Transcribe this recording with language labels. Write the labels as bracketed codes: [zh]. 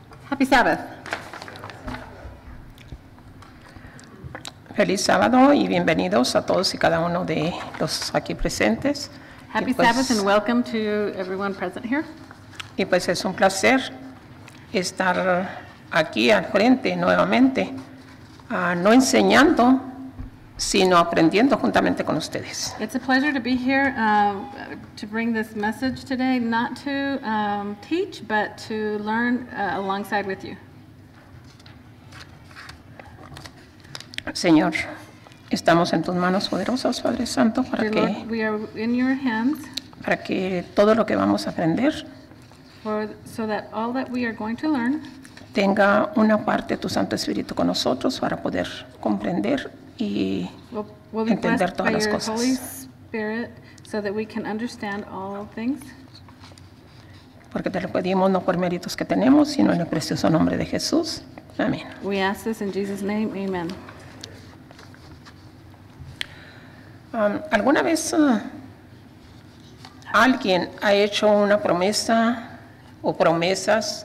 [en] Happy Sabbath. [es] Feliz sábado y bienvenidos a todos y cada uno de los aquí presentes. [en] Happy Sabbath and welcome to everyone present here. [es] Y pues es un placer estar aquí al frente nuevamente, no enseñando, sino aprendiendo juntamente con ustedes. [en] It's a pleasure to be here to bring this message today, not to teach, but to learn alongside with you. [es] Señor, estamos en tus manos poderosas, Padre Santo, para que... [en] We are in your hands. [es] Para que todo lo que vamos a aprender... [en] So that all that we are going to learn... [es] Tenga una parte de tu Santo Espíritu con nosotros para poder comprender y entender todas las cosas. [en] We'll be blessed by your Holy Spirit so that we can understand all things. [es] Porque te lo pedimos no por méritos que tenemos, sino en el precioso nombre de Jesús. Amén. [en] We ask this in Jesus' name. Amen. [es] ¿Alguna vez alguien ha hecho una promesa o promesas?